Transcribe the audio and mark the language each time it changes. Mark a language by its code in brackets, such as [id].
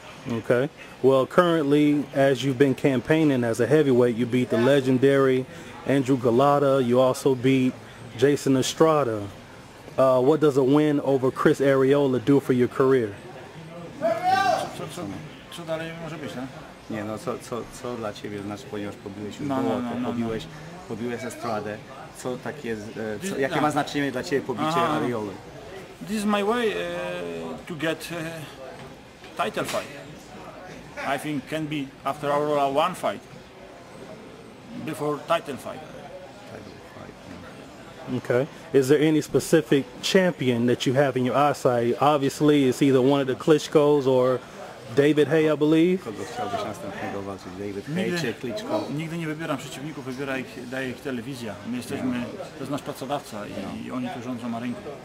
[en] Okay. Well, currently, as you've been campaigning as a heavyweight, you beat the legendary Andrew Galata. You also beat Jason Estrada. What does a win over Chris Arreola do for your career? [pl] Co dalej może być, nie? Nie, no co dla ciebie znaczy, ponieważ pobiłeś już pobiłeś Estradę. Co takie jest, jakie ma znaczenie dla ciebie pobicie Arreola? [en] This is my way to get title fight. I think can be after our one fight, before title fight. Okay. Is there any specific champion that you have in your eyesight? Obviously, it's either one of the Klitschkos or David Hay, I believe. [pl] David Hay czy Klitschko? Nigdy nie wybieram przeciwników, daje ich telewizja. My jesteśmy, to jest nasz pracodawca i oni tu rządzą na rynku.